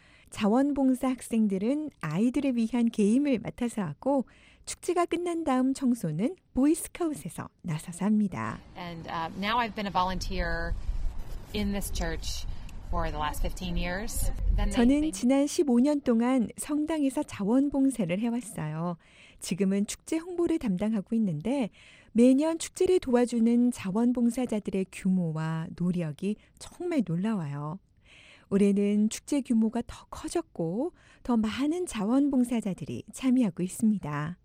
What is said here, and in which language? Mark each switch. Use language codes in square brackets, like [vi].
[ko] 자원봉사 학생들은 아이들을 위한 게임을 맡아서 하고 축제가 끝난 다음 청소는 보이스카우트에서 나서서 합니다. [en] And now I've been a volunteer in this church for the last 15 years. [ko] 저는 지난 15년 동안 성당에서 자원봉사를 해왔어요. 지금은 축제 홍보를 담당하고 있는데 매년 축제를 도와주는 자원봉사자들의 규모와 노력이 정말 놀라워요. 올해는 축제 규모가 더 커졌고 더 많은 자원봉사자들이 참여하고 있습니다.